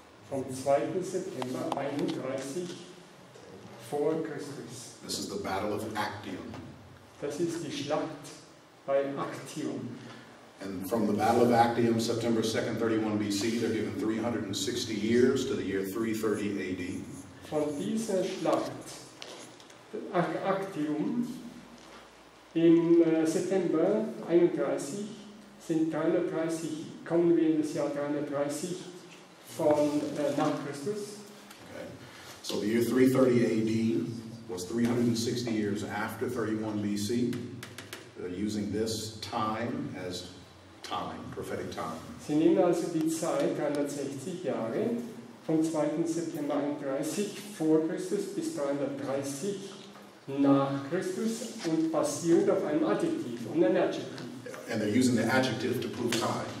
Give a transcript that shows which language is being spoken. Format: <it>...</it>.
<de>Vom 2. September 31 vor Christus.</de> <en>This is the Battle of Actium.</en> <de>Das ist die Schlacht bei Actium.</de> <en>And from the Battle of Actium, September 2nd, 31 BC, they're given 360 years to the year 330 AD.</en> <de>Von dieser Schlacht, Actium, im September 31, sind 330, kommen wir in das Jahr 330 von nach Christus.</de> <en>Okay. So the year 330 AD was 360 years after 31 BC, using this time as time, prophetic time.</en> <de>Sie nehmen also die Zeit 360 Jahre vom 2. September 31 vor Christus bis 330 nach Christus und basierend auf einem Adjektiv und einem Adjektiv.</de> <en>And they're using the adjective to prove time.</en>